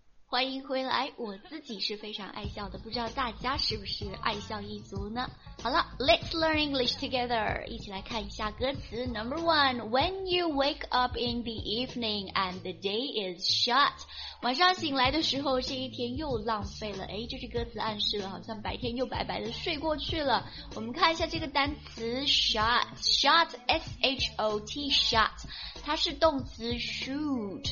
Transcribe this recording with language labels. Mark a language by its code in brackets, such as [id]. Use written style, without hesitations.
[zh] 欢迎回来，我自己是非常爱笑的，不知道大家是不是爱笑一族呢？好了 ， [en] Let's learn English together， [zh] 一起来看一下歌词。 [en] Number one， When you wake up in the evening and the day is shut， [zh] 晚上醒来的时候，这一天又浪费了。哎，这句歌词暗示了，好像白天又白白的睡过去了。我们看一下这个单词 shot， 它是动词 shoot。